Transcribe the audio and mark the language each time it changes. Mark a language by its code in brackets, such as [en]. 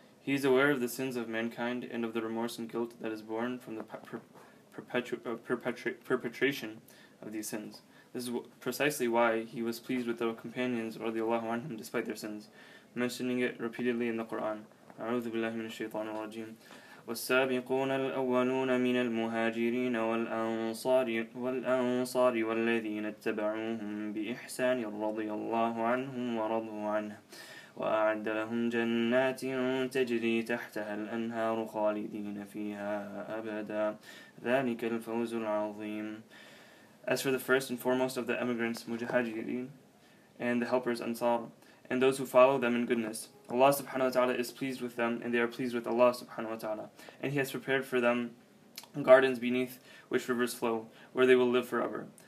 [en] He is aware of the sins of mankind and of the remorse and guilt that is born from the perpetration of these sins. This is precisely why he was pleased with the companions, radiallahu anhum, despite their sins, mentioning it repeatedly in the Quran. [ar] A'udhu billahi minash shaitanir rajim. والسابقون الأولون من المهاجرين والأنصار والذين اتبعوهم بإحسان رضي الله عنهم ورضوا عنه وأعد لهم جنات تجري تحتها الأنهار خالدين فيها أبدا ذلك الفوز العظيم. [en] As for the first and foremost of the emigrants, Mujahideen, and the helpers Ansar, and those who follow them in goodness, Allah subhanahu wa ta'ala is pleased with them, and they are pleased with Allah subhanahu wa ta'ala. And He has prepared for them gardens beneath which rivers flow, where they will live forever.